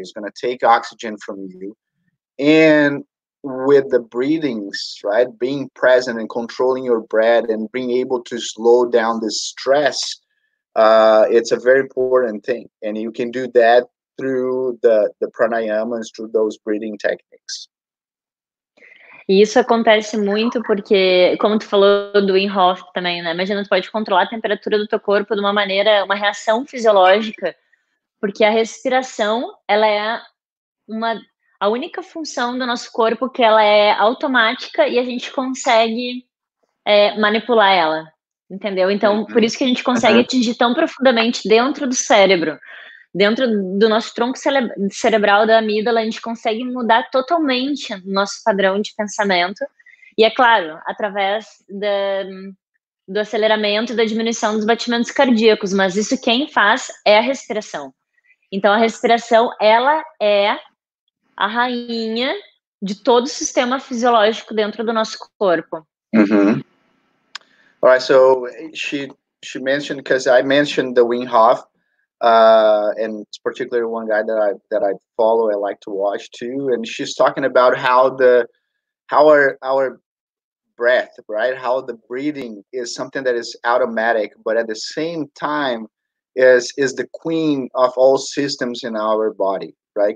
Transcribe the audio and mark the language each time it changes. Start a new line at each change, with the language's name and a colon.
English: It's going to take oxygen from you. And with the breathings, right, being present and controlling your breath and being able to slow down the stress, it's a very important thing. And you can do that through the pranayamas, through those breathing techniques.
Portuguese: E isso acontece muito porque, como tu falou do Wim Hof também, né? Imagina, tu pode controlar a temperatura do teu corpo de uma maneira, uma reação fisiológica, porque a respiração, ela é a única função do nosso corpo que ela é automática e a gente consegue manipular ela, entendeu? Então, por isso que a gente consegue atingir tão profundamente dentro do cérebro. Dentro do nosso tronco cerebral, da amígdala, a gente consegue mudar totalmente o nosso padrão de pensamento. E é claro, através do aceleramento e da diminuição dos batimentos cardíacos. Mas isso quem faz é a respiração. Então, a respiração, ela é a rainha de todo o sistema fisiológico dentro do nosso corpo.
English: All right, so she mentioned, because I mentioned the Wim Hof, and it's particularly one guy that I follow, I like to watch too, and she's talking about how our breath, right, how the breathing is something that is automatic, but at the same time is the queen of all systems in our body, right?